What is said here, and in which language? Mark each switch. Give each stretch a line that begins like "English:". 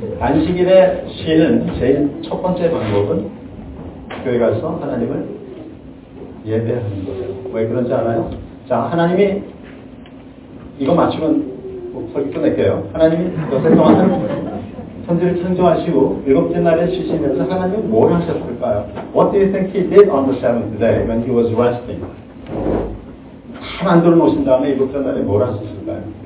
Korean: 안식일에 쉬는 제일 첫 번째 방법은 교회 가서 하나님을 예배하는 거예요. 왜 그런지 알아요? 자, 하나님이 이거 맞추면 설교 끝낼게요. 하나님이 몇 해 동안은 천지를 창조하시고 일곱째 날에 쉬시면서 하나님은 뭘 하셨을까요?
English: What do you think he did on the seventh day when he was resting?
Korean: 다 만들어 놓으신 다음에 일곱째 날에 뭘 하셨을까요?